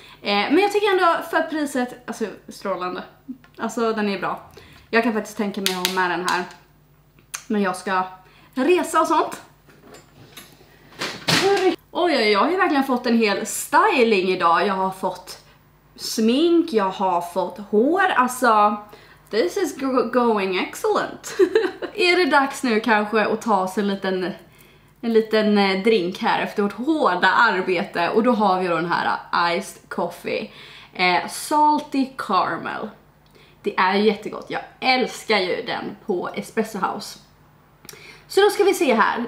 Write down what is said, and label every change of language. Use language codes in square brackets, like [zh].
[sv] Men jag tycker ändå för priset, alltså strålande. Alltså den är bra. Jag kan faktiskt tänka mig att ha med den här. När jag ska resa och sånt. Oj, jag har ju verkligen fått en hel styling idag. Jag har fått smink, jag har fått hår. Alltså... [en] This is going excellent. [sv] Är det dags nu kanske att ta oss en liten drink här efter vårt hårda arbete? Och då har vi då den här iced coffee. Salty caramel. Det är jättegott. Jag älskar ju den på Espresso House. Så då ska vi se här.